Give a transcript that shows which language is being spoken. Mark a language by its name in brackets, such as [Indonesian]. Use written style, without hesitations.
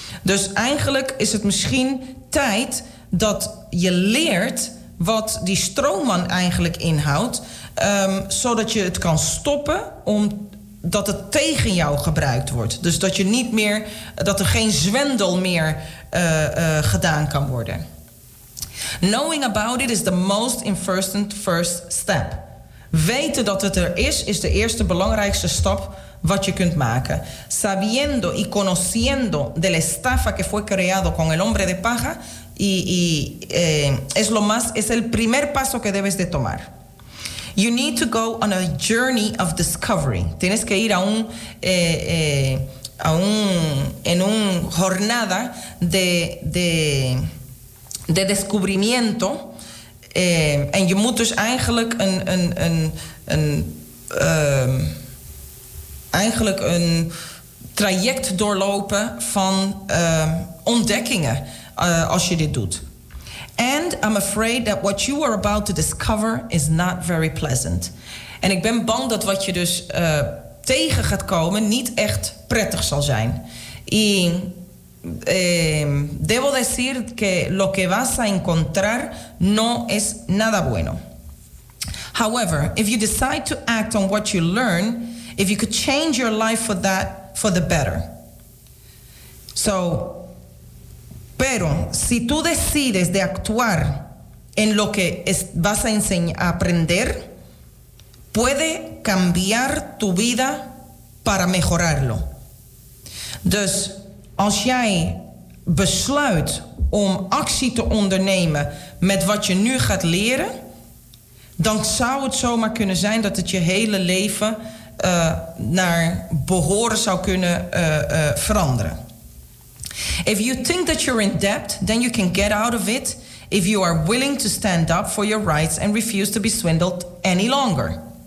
[Dutch] Dus eigenlijk is het misschien tijd dat je leert wat die stroomman eigenlijk inhoudt, zodat je het kan stoppen om dat het tegen jou gebruikt wordt. Dus dat je niet meer, dat er geen zwendel meer gedaan kan worden. [English] Knowing about it is the most important first step. [Dutch] Weten dat het er is, is de eerste belangrijkste stap wat je kunt maken. [Spanish] Sabiendo y conociendo de la estafa que fue creado con el hombre de paja, y es lo más, es el primer paso que debes de tomar. [English] You need to go on a journey of discovery. [Spanish] Tienes que ir a un en un jornada de descubrimiento. [Dutch] En je moet dus eigenlijk een traject doorlopen van ontdekkingen als je dit doet. [English] And I'm afraid that what you are about to discover is not very pleasant. [Dutch] En ik ben bang dat wat je dus tegen gaat komen niet echt prettig zal zijn. [Spanish] Y debo decir que lo que vas a encontrar no es nada bueno. [English] However, if you decide to act on what you learn, if you could change your life for that, for the better. [Spanish] So, pero si tú decides de actuar en lo que vas a aprender, puede cambiar tu vida para mejorarlo. [Dutch] Dus als jij besluit om actie te ondernemen met wat je nu gaat leren, dan zou het zomaar kunnen zijn dat het je hele leven naar behoren zou kunnen veranderen. [English] If you think that you're in debt, then you can get out of it if you are willing to stand up for your rights and refuse to be swindled any longer.